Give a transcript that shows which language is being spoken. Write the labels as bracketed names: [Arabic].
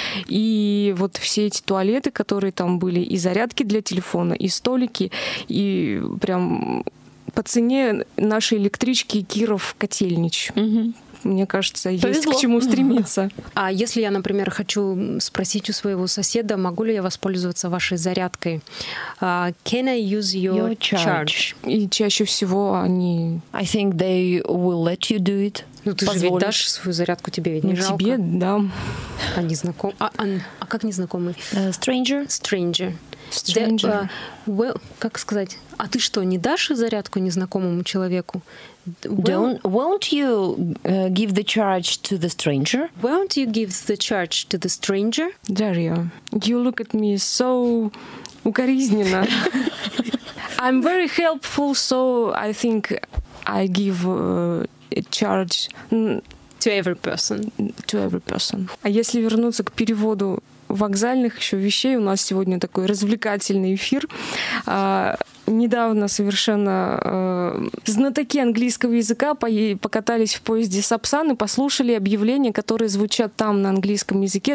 [Russian] И вот все эти туалеты, которые там были, и зарядки для телефона, и столики, и прям... по цене нашей электрички Киров-Котельнич. Угу. Мне кажется, есть к чему стремиться. А если я, например, хочу спросить у своего соседа, могу ли я воспользоваться вашей зарядкой? [English] Can I use your charge? [Russian] И чаще всего они... [English] I think they will let you do it. [Russian] Ну, ты же ведь дашь свою зарядку, тебе ведь не жалко. Тебе, да. А незнакомый? А как незнакомый? [English] Stranger. [Russian] Как сказать? А ты что, не дашь зарядку незнакомому человеку? [English] Won't you give the charge to the stranger? Won't you give the charge to the stranger? Дарья, you look at me so укоризненно. I'm very helpful, so I think I give a charge to every person. [Russian] А если вернуться к переводу вокзальных еще вещей, у нас сегодня такой развлекательный эфир. Недавно совершенно знатоки английского языка покатались в поезде Сапсан и послушали объявления, которые звучат там на английском языке.